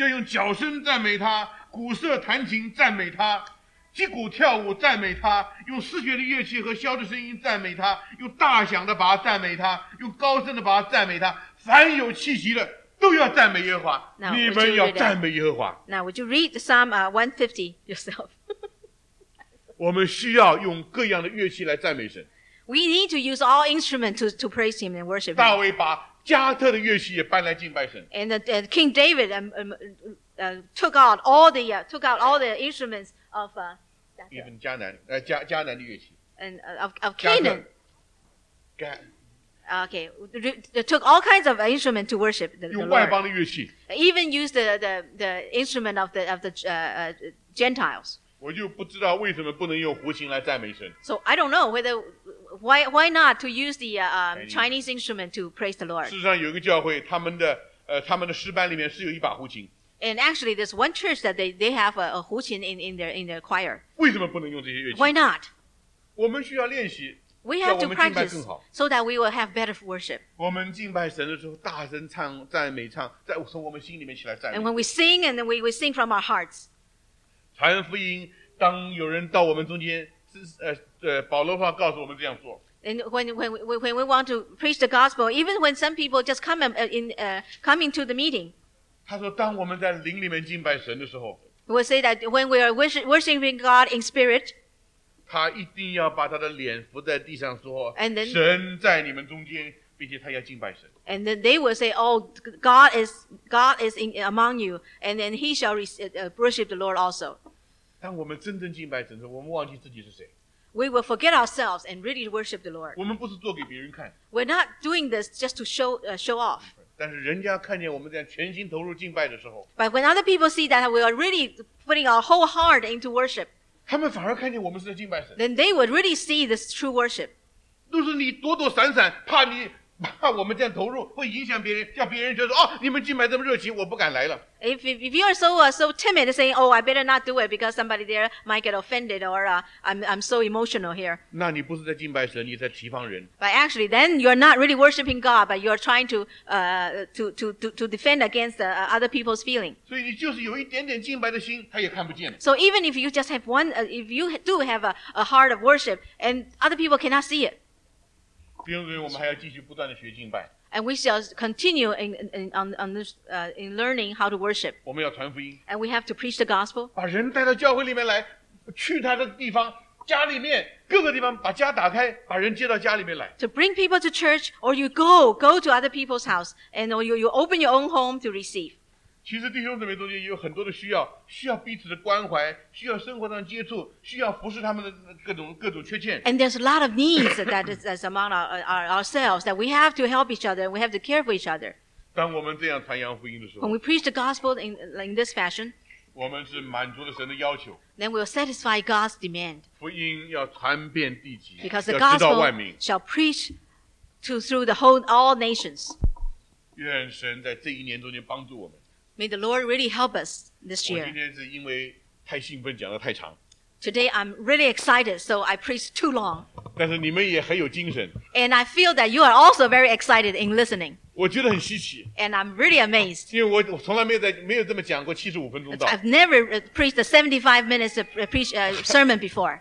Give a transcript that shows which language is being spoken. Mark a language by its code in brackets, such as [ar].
[zh] 要用脚声赞美他，鼓瑟弹琴赞美他，击鼓跳舞赞美他，用视觉的乐器和箫的声音赞美他，用大响的把赞美他，用高声的把赞美他，凡有气息的都要赞美耶和华。 [en] Now, [zh] 你们要赞美耶和华。 [en] Now would you read Psalm 150 yourself? [zh] 我们需要用各样的乐器来赞美神。 [en] We need to use all instruments to praise him and worship him. [zh] 大卫把加特的乐器也搬来敬拜神。 [en] And King David took out all the instruments of [zh] even 迦南的乐器。 [en] And of Canaan. Okay, they took all kinds of instruments to worship the Lord. [zh] 用外邦的乐器。 [en] Even used the instrument of the Gentiles. [zh] 我就不知道为什么不能用胡琴来赞美神。 [en] So I don't know whether why not to use the Chinese instrument to praise the Lord. [zh] 事实上有一个教会，他们的诗班里面是有一把胡琴。 [en] And actually, there's one church that they have a 胡琴 in their choir. [zh] 为什么不能用这些乐器 [en] ？Why not? [zh] 我们需要练习。 [en] We have to practice so that we will have better worship. [zh] 我们敬拜神的时候大声唱赞美唱，在从我们心里面起来赞美。 [en] And when we sing, and then we sing from our hearts. [zh] 传福音，当有人到我们中间，保罗的话告诉我们这样做。 [en] And when we want to preach the gospel, even when some people just come coming to the meeting. [zh] 他说，当我们在灵里面敬拜神的时候 [en] ，We say that when we are worshiping God in spirit. [zh] 他一定要把他的脸伏在地上说 [en] ，And then [zh] 神在你们中间，并且他要敬拜神。 [en] And then they will say, "Oh, God is in among you, and then he shall worship the Lord also." [zh] 当我们真正敬拜神的时候，我们忘记自己是谁。 [en] We will forget ourselves and really worship the Lord. [zh] 我们不是做给别人看。 [en] We're not doing this just to show off. [zh] 但是人家看见我们在全心投入敬拜的时候。 [en] But when other people see that we are really putting our whole heart into worship. [zh] 他们反而看见我们是在敬拜神。 [en] Then they would really see this true worship. [zh] 都是你躲躲闪闪，怕我们这样投入会影响别人，叫别人觉得哦，你们敬拜这么热情，我不敢来了。 [en] If you are so timid, saying, "Oh, I better not do it because somebody there might get offended," or I'm so emotional here." [zh] 那你不是在敬拜神，你在提防人。 [en] But actually, then you're not really worshiping God, but you're trying to defend against other people's feeling. [zh] 所以你就是有一点点敬拜的心，他也看不见。 [en] So even if you just have one, if you do have a heart of worship, and other people cannot see it. [zh] 弟兄姊妹，我们还要继续不断的学敬拜。 [en] And we shall continue in learning how to worship. [zh] 我们要传福音。 [en] And we have to preach the gospel. [zh] 把人带到教会里面来，去他的地方，家里面各个地方，把家打开，把人接到家里面来。 [en] To bring people to church, or you go to other people's house, and you open your own home to receive. [zh] 其实弟兄姊妹中间有很多的需要，需要彼此的关怀，需要生活上接触，需要服侍他们的各种缺陷。 [en] And there's a lot of needs that is among ourselves that we have to help each other, we have to care for each other. [zh] 当我们这样传扬福音的时候 [en] ，When we preach the gospel in this fashion, [zh] 我们是满足了神的要求。 [en] Then we'll satisfy God's demand. [zh] 福音要传遍地极 [en] ，Because the gospel shall preach through the whole all nations. [zh] 愿神在这一年中间帮助我们。 [en] May the Lord really help us this year. [zh] 我今天是因为太兴奋，讲得太长。 [en] Today I'm really excited, so I preached too long. [zh] 但是你们也很有精神。 [en] And I feel that you are also very excited in listening. [zh] 我觉得很稀奇。 [en] And I'm really amazed. [zh] 因为我从来没有这么讲过75分钟道。 [en] I've never preached a 75 minutes of sermon before.